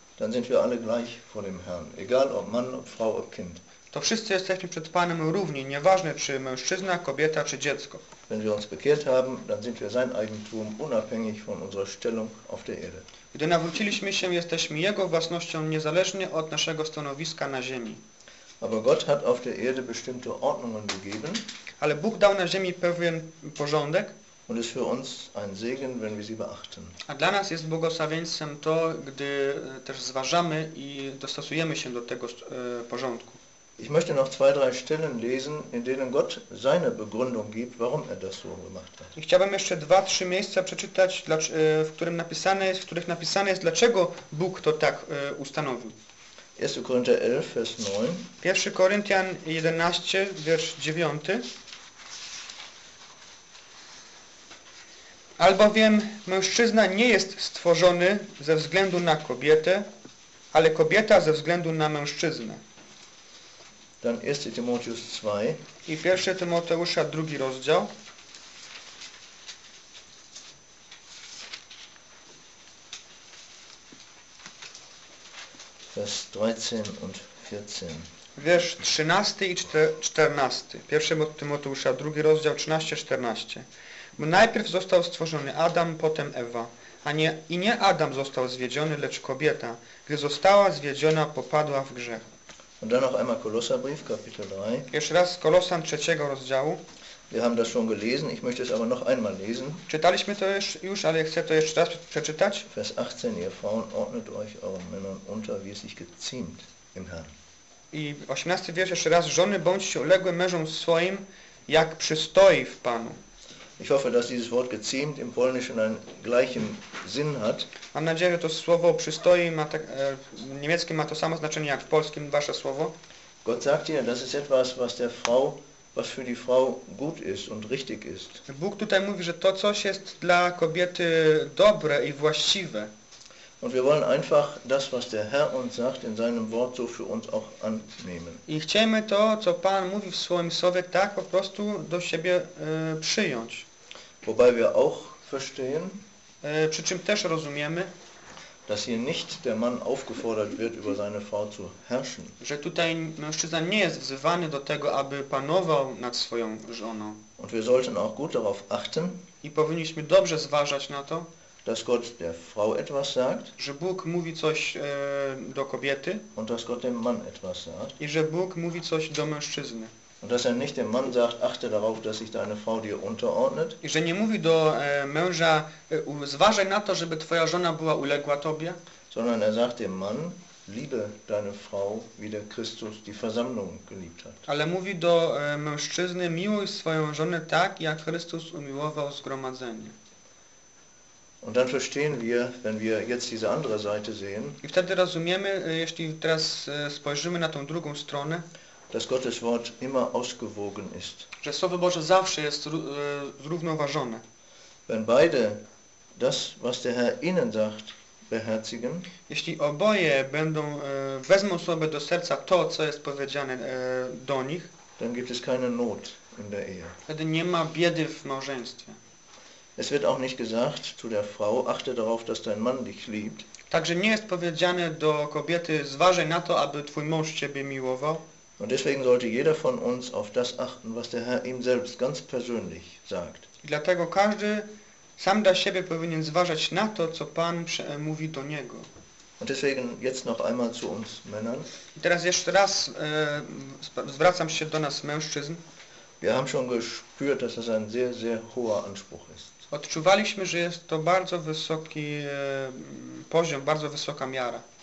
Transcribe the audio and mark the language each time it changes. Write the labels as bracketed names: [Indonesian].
[German] dann sind wir alle gleich vor dem Herrn, egal ob Mann, ob Frau, ob Kind. [Polish] To wszyscy jesteśmy przed Panem równi, nieważne czy mężczyzna, kobieta czy dziecko. [German] Wenn wir uns bekehrt haben, dann sind wir sein Eigentum, unabhängig von unserer Stellung auf der Erde. [Polish] Gdy nawróciliśmy się, jesteśmy Jego własnością, niezależnie od naszego stanowiska na ziemi. [German] Aber Gott hat auf der Erde bestimmte Ordnungen gegeben. [Polish] Ale Bóg dał na ziemi pewien porządek. [German] Und ist für uns ein Segen, wenn wir sie beachten. [Polish] A dla nas jest błogosławieństwem to, gdy też zważamy i dostosujemy się do tego porządku. [German] Ich möchte noch zwei, drei Stellen lesen, in denen Gott seine Begründung gibt, warum er das so gemacht hat. [Polish] I chciałbym jeszcze dwa, trzy miejsca przeczytać, w których napisane jest, dlaczego Bóg to tak ustanowił. [German] 1 Korinther 11, Vers 9. [Polish] 1 Korinthian 11, wiersz 9. Albowiem mężczyzna nie jest stworzony ze względu na kobietę, ale kobieta ze względu na mężczyznę. [German] Dann 1 Timotheus 2. [Polish] I 1 Tymoteusza 2 rozdział. [German] Vers 13 und 14. [Polish] Wiersz 13 i 14. 1 Tymoteusza 2 rozdział 13-14. Bo najpierw został stworzony Adam, potem Ewa. I nie Adam został zwiedziony, lecz kobieta. Gdy została zwiedziona, popadła w grzech. [German] Und dann noch einmal Kolosserbrief, Kapitel 3. [Polish] Jeszcze raz Kolosan 3 rozdziału. [German] Wir haben das schon gelesen, ich möchte es aber noch einmal lesen. [Polish] Czytaliśmy to już, ale chcę to jeszcze raz przeczytać. [German] Vers 18, ihr Frauen ordnet euch euren Männern unter, wie es sich geziemt im Herrn. [Polish] I 18 wiersz jeszcze raz, żony bądźcie uległe mężom swoim, jak przystoi w Panu. [German] Ich hoffe, dass dieses Wort geziemt im Polnischen einen gleichen Sinn hat. [Polish] Mam nadzieję, że to słowo przystoi ma tak, w niemieckim ma to samo znaczenie jak w polskim wasze słowo. [German] Gott sagt hier, das ist etwas, was der Frau, was für die Frau gut ist und richtig ist. [Polish] Bóg tutaj mówi, że to coś jest dla kobiety dobre i właściwe. [German] Und wir wollen einfach das, was der Herr uns sagt in seinem Wort, so für uns auch annehmen. [Polish] I chcemy to, co Pan mówi w swoim słowie, tak po prostu do siebie przyjąć. [German] Wobei wir auch verstehen, [Polish] przy czym też rozumiemy, [German] dass hier nicht der Mann aufgefordert wird, über seine Frau zu herrschen. [Polish] Że tutaj mężczyzna nie jest wzywany do tego, aby panował nad swoją żoną. [German] Und wir sollten auch gut darauf achten. [Polish] I powinniśmy dobrze zważać na to, [German] dass Gott der Frau etwas sagt, [Polish] że Bóg mówi coś do kobiety, [German] und dass Gott dem Mann etwas sagt, [Polish] i że Bóg mówi coś do mężczyzny. [German] Und dass er nicht dem Mann sagt, achte darauf, dass sich deine Frau dir unterordnet. [Polish] I że nie mówi do męża, zważaj na to, żeby twoja żona była uległa tobie. [German] Sondern er sagt dem Mann, liebe deine Frau, wie der Christus die Versammlung geliebt hat. [Polish] Ale mówi do mężczyzny, miłuj swoją żonę tak, jak Chrystus umiłował zgromadzenie. [German] Und dann verstehen wir, wenn wir jetzt diese andere Seite sehen. [Polish] I wtedy rozumiemy, jeśli teraz spojrzymy na tą drugą stronę, [German] dass Gottes Wort immer ausgewogen ist. [Polish] Że Słowo Boże zawsze jest zrównoważone. [German] Wenn beide das, was der Herr ihnen sagt, beherzigen, [Polish] jeśli oboje będą wezmą sobie do serca to, co jest powiedziane do nich, [German] dann gibt es keine Not in der Ehe. [Polish] Wtedy nie ma biedy w małżeństwie. [German] Es wird auch nicht gesagt zu der Frau, achte darauf, dass dein Mann dich liebt. [Polish] Także nie jest powiedziane do kobiety, zważaj na to, aby twój mąż ciebie miłował. [German] Und deswegen sollte jeder von uns auf das achten, was der Herr ihm selbst ganz persönlich sagt. [Polish] I dlatego każdy sam dla siebie powinien zważać na to, co Pan mówi do niego. [German] Und deswegen jetzt noch einmal zu uns Männern. [Polish] I teraz jeszcze raz zwracam się do nas mężczyzn. [German] Wir haben schon gespürt, dass das ein sehr, sehr hoher Anspruch ist. [Polish] Odczuwaliśmy, że jest to bardzo wysoki poziom, bardzo wysoka miara.